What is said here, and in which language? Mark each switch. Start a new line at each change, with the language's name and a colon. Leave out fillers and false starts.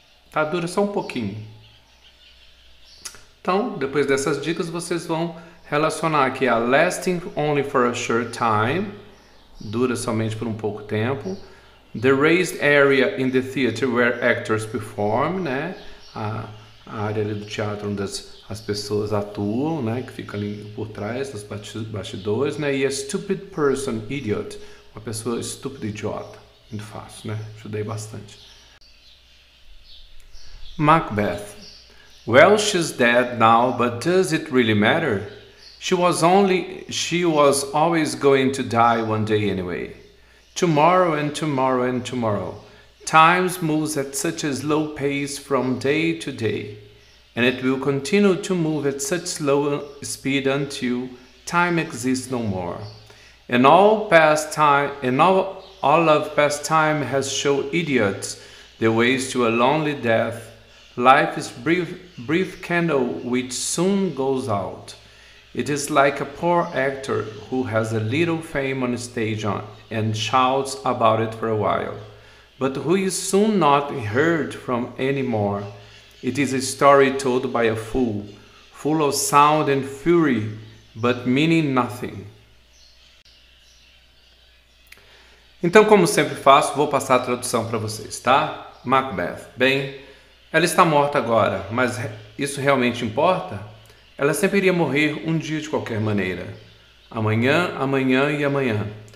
Portuguese: Tá, dura só um pouquinho. Então, depois dessas dicas, vocês vão relacionar aqui a
English: lasting only for a short time,
Portuguese: dura somente por um pouco tempo,
English: the raised area in the theater where actors perform,
Portuguese: né? A área ali do teatro onde as pessoas atuam, né, que fica ali por trás dos bastidores, né, e
English: a stupid person, idiot,
Portuguese: uma pessoa estúpida, idiota, muito fácil, né, ajudei bastante.
English: Macbeth. Well, she's dead now, but does it really matter? She was always going to die one day anyway. Tomorrow and tomorrow and tomorrow. Time moves at such a slow pace from day to day. And it will continue to move at such slow speed until time exists no more. And all of past time has shown idiots the ways to a lonely death. Life is brief candle which soon goes out. It is like a poor actor who has a little fame on stage and shouts about it for a while, but who is soon not heard from anymore. It is a story told by a fool, full of sound and fury, but meaning nothing.
Portuguese: Então, como sempre faço, vou passar a tradução para vocês, tá? Macbeth. Bem, ela está morta agora, mas isso realmente importa? Ela sempre iria morrer um dia de qualquer maneira. Amanhã, amanhã e amanhã.